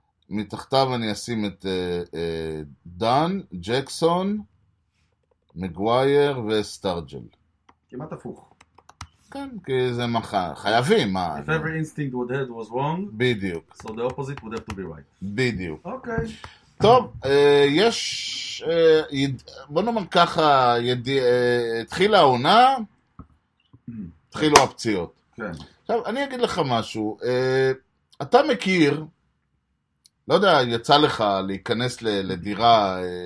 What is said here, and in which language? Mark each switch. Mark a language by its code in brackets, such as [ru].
[he] מתחתיו אני אשים את דן, ג'קסון, מגווייר וסטארג'ל. כמעט הפוך. כן, כי זה מה חייבים. מה, [en] If every instinct would have was wrong, [he] בדיוק. [en] So the opposite would have to be right. [he] בדיוק. אוקיי. Okay. טוב, יש... בוא נאמר ככה, התחילה העונה, התחילו הפציעות. כן. Okay. עכשיו, אני אגיד לך משהו. אתה מכיר, לא יודע, יצא לך להיכנס לדירה...